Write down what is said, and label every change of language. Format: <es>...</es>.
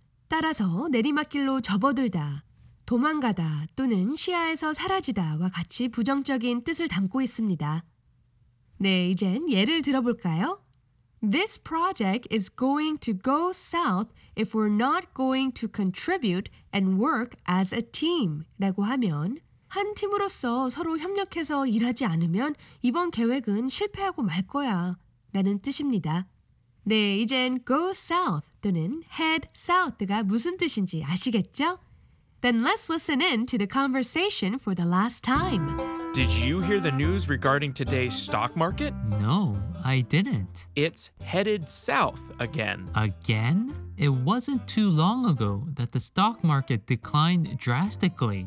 <ko>따라서 내리막길로 접어들다, 도망가다 또는 시야에서 사라지다와 같이 부정적인 뜻을 담고 있습니다. 네, 이젠 예를 들어볼까요?</ko> <en>This project is going to go south if we're not going to contribute and work as a team.</en> <ko>라고 하면 한 팀으로서 서로 협력해서 일하지 않으면 이번 계획은 실패하고 말 거야 라는 뜻입니다. 네, 이젠 go south 또는 head south가 무슨 뜻인지 아시겠죠?</ko> <en>Then let's listen in to the conversation for the last time. Did you hear the news regarding today's stock market? No, I didn't. It's headed south again. Again? It wasn't too long ago that the stock market declined drastically.</en>